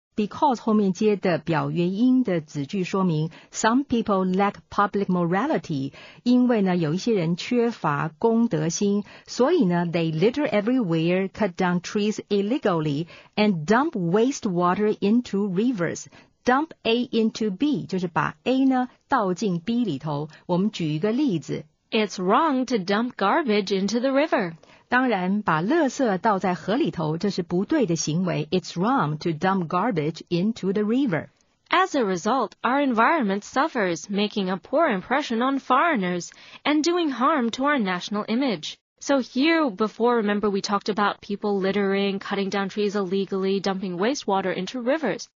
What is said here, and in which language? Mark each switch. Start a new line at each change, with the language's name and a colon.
Chinese: Because 后面接的表原因的子句说明
English: some people lack public morality，
Chinese: 因为呢有一些人缺乏公德心，所以呢
English: they litter everywhere， cut down trees illegally， and dump waste water into riversDump
Chinese: A into B, 就是把 A 呢倒进 B 里头。我们举一个例子。
English: It's wrong to dump garbage into the river.
Chinese: 当然把垃圾倒在河里头这是不对的行为。
English: It's wrong to dump garbage into the river. As a result, our environment suffers, making a poor impression on foreigners and doing harm to our national image. So here before, remember, we talked about people littering, cutting down trees illegally, dumping wastewater into rivers.